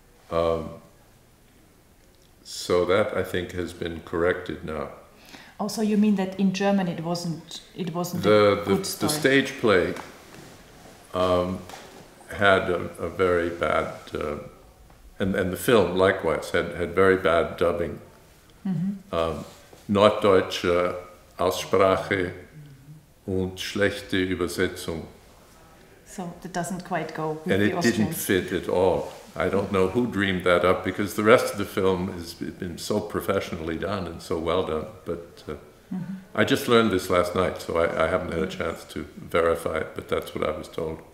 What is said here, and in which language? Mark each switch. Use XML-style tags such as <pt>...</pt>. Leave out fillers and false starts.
<en>So that, I think, has been corrected now. Oh, so you mean that in German it wasn't the good story? The stage play had a very bad, and the film likewise had very bad dubbing. Mm-hmm.</en> <de>Norddeutsche Aussprache und schlechte Übersetzung.</de> <en>So that doesn't quite go with and the it Austrians. Didn't fit at all. I don't know who dreamed that up, because the rest of the film has been so professionally done and so well done. But mm-hmm. I just learned this last night, so I haven't had a chance to verify it, but that's what I was told.</en>